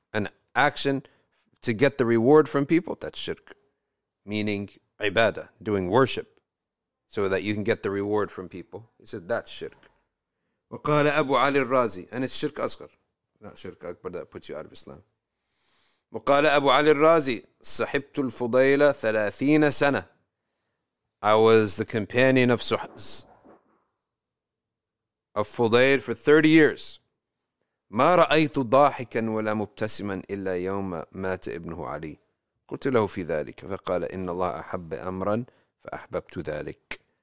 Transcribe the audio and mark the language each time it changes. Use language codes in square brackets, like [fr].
[en] An action to get the reward from people, that's shirk. Meaning, ibadah, doing worship, so that you can get the reward from people. He says, that's shirk. [ar] وَقَالَ أَبُو عَلِي الرَّازِي. [en] And it's shirk asghar. Not shirk akbar, that puts you out of Islam. [ar] وقال أبو علي الرازي صحبت الفضيلة 30 سنة. [en] I was the companion of Fudayl for 30 years. [ar] ما رأيت ضاحكا ولا مبتسما إلا يوم مات ابنه علي. قلت له في ذلك فقال إن الله أحب أمرا فأحببت ذلك.